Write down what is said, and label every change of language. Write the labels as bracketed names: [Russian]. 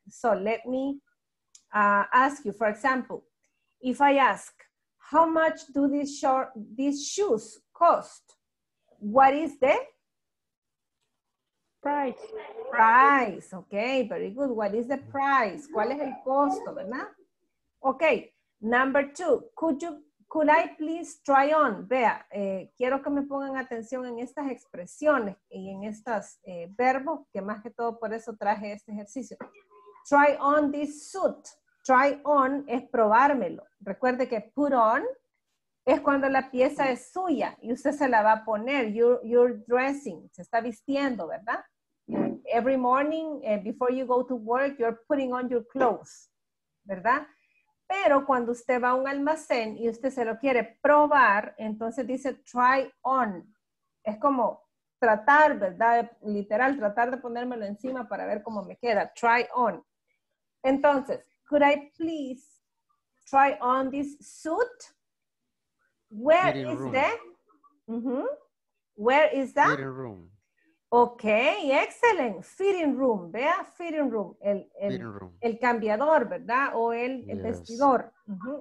[English] So let me ask you, for example, if I ask, how much do these shoes cost? What is the price? Price, okay, very good. What is the price? [Spanish] ¿Cuál es el costo, verdad? [English] Okay, number two, could I please try on? [Spanish] Vea, quiero que me pongan atención en estas expresiones y en estos verbos, que más que todo por eso traje este ejercicio. [English] Try on this suit. Try on [Spanish] es probármelo. Recuerde que [English] put on [Spanish] es cuando la pieza es suya y usted se la va a poner. [English] You're dressing, [Spanish] se está vistiendo, [English] ¿verdad? Every morning, before you go to work, you're putting on your clothes, ¿verdad? [Spanish] Pero cuando usted va a un almacén y usted se lo quiere probar, entonces dice try on. Es como tratar, ¿verdad? Literal, tratar de ponérmelo encima para ver cómo me queda. [English] Try on. Entonces, could I please try on this suit? Where is that? Mm-hmm. Where is that? Fitting room. Okay, excellent. Fitting room, vea, fitting room. [Spanish] El cambiador, ¿verdad? O el, yes, el vestidor. Mm-hmm.